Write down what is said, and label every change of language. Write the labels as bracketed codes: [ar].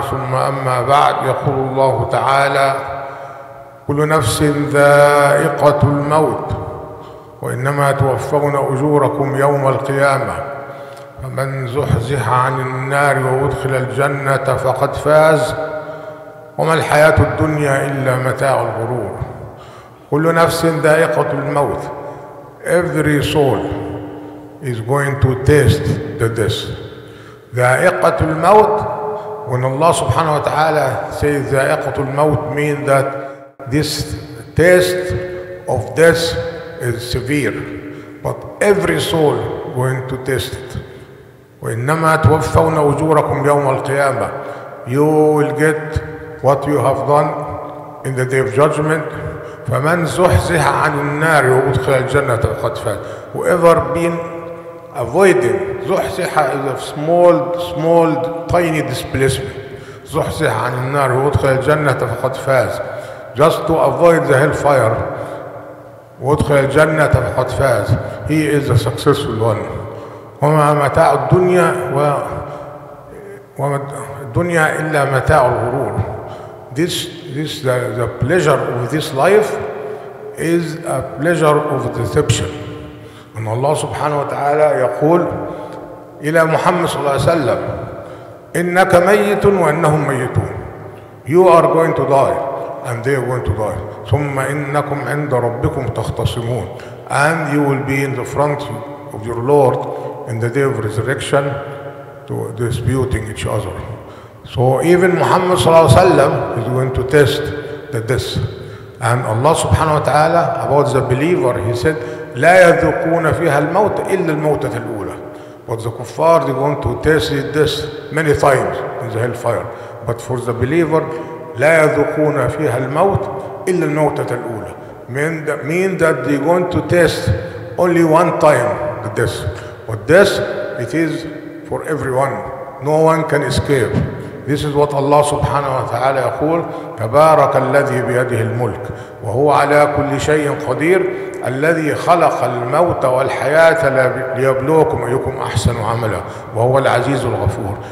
[ar] ثم أما بعد، يقول الله تعالى: كل نفس ذائقة الموت وإنما توفون أجوركم يوم القيامة فمن زحزح عن النار وأدخل الجنة فقد فاز وما الحياة الدنيا إلا متاع الغرور. كل نفس ذائقة الموت. [en] Every soul is going to taste the death. [ar] ذائقة الموت. [en] When Allah subhanahu wa ta'ala says [ar] ذائقة الموت, [en] mean that this taste of death is severe, but every soul going to taste it. [ar] وإنما توفون أجوركم يوم القيامة. [en] You will get what you have done in the day of judgment. [ar] فمن زحزح عن النار وأدخل الجنة فقد فاز. [en] Whoever been avoiding, زحزح is a small tiny displacement. [ar] زحزح عن النار وأدخل الجنة فقد فاز. [en] Just to avoid the hellfire, [ar] وادخل الجنة فقد فاز. [en] He is a successful one. [ar] وما متاع الدنيا وما الدنيا إلا متاع الغرور. [en] The pleasure of this life is a pleasure of deception. [ar] أن الله سبحانه وتعالى يقول إلى محمد صلى الله عليه وسلم: إنك ميت وإنهم ميتون. [en] You are going to die and they are going to die. [ar] ثم إنكم عند ربكم تختصمون. [en] And you will be in the front of your Lord in the day of resurrection to disputing each other. So even Muhammad [ar] صلى الله عليه وسلم [en] is going to test the death. And Allah subhanahu wa ta'ala about the believer, he said [ar] لا يذوقون فيها الموت إلا الموتة الأولى. [en] But the kuffar, they're going to test the death many times in the hellfire. But for the believer, [ar] لا يذوقون فيها الموت إلا الموتة الأولى. [en] Mean that they're going to test only one time the death. But death, it is for everyone. No one can escape. This is what Allah subhanahu wa ta'ala [ar] يقول: تبارك الذي بيده الملك وهو على كل شيء قدير، الذي خلق الموت والحياة ليبلوكم أيكم أحسن عملا وهو العزيز الغفور.